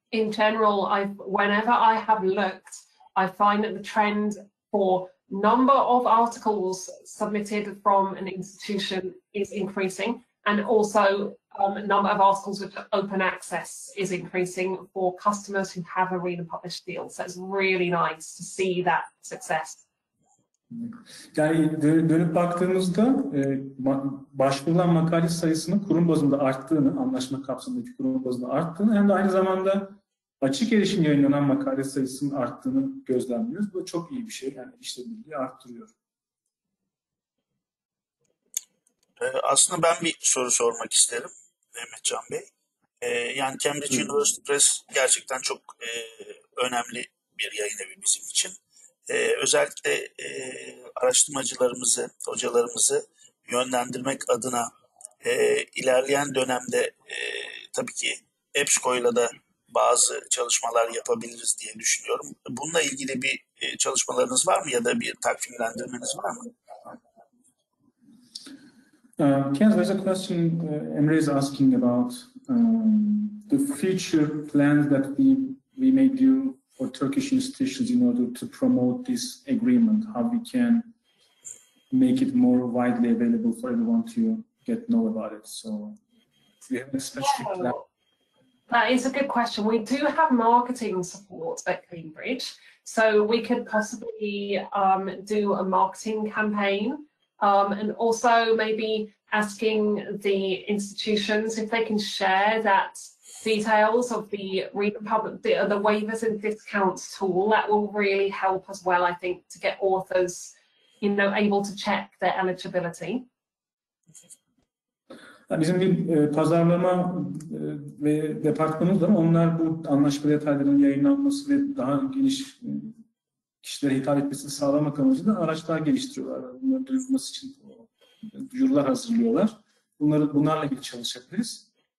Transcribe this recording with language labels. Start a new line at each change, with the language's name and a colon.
English: In general, whenever I have looked, I find that the trend for number of articles submitted from an institution is increasing, and also number of articles with open access is increasing for customers who have a read and publish deal. So it's really nice to see that success.
Turkish: Yani dönüp baktığımızda başvurulan makale sayısının kurum bazında arttığını, anlaşma kapsamındaki kurum bazında arttığını hem de aynı zamanda açık erişim yayınlanan makale sayısının arttığını gözlemliyoruz. Bu çok iyi bir şey. Yani işlevliliği arttırıyor. Aslında ben bir soru sormak isterim Mehmet Can Bey. Yani Cambridge University Press gerçekten çok önemli bir yayın evi bizim için. Özellikle araştırmacılarımızı, hocalarımızı yönlendirmek adına ilerleyen dönemde tabii ki EBSCO'yla da bazı çalışmalar yapabiliriz diye düşünüyorum. Bununla ilgili bir çalışmalarınız var mı ya da bir takvimlendirmeniz var mı?
English: Kenz, there's a question Emre is asking about the future plans that we may do for Turkish institutions in order to promote this agreement, how we can make it more widely available for everyone to get know about it. So we have a specific plan. That is a good question. We do have marketing support at Cambridge, so we could possibly do a marketing campaign and also maybe asking the institutions if they can share that details of the Republic, the waivers and discounts tool. That will really help as well, I think, to get authors, you know, able to check their eligibility.
Turkish: Bizim bir pazarlama ve departmanımız da onlar bu anlaşma detaylarının yayınlanması ve daha geniş kişilere hitap etmesini sağlamak amacıyla araçlar geliştiriyorlar. Bunları duyurması için duyurular hazırlıyorlar. Bunlarla ilgili çalışabiliriz.